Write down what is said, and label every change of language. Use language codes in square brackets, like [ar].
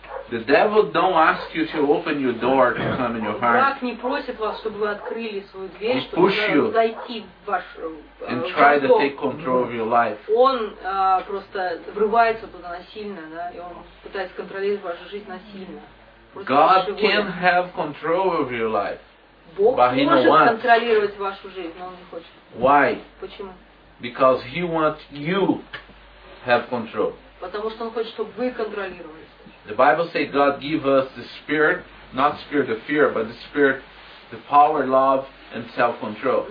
[en] The devil don't ask you to open your door to come in your heart. [ru] Брак не просит вас, чтобы вы открыли свою дверь, [en] He [ru] чтобы зайти в вашу [en] And try to take control of your life. [ru] Он просто врывается туда насильно, да, и он пытается контролировать вашу жизнь насильно. Просто [en] God can have control of your life. [ru] Бог может контролировать вашу жизнь, но он не хочет. [en] Why? [ru] Почему? [en] Because he wants you have control. [ru] Потому что он хочет, чтобы вы контролировали. [en] The Bible says God give us the spirit, not spirit of fear, but the spirit, the power, love and self-control.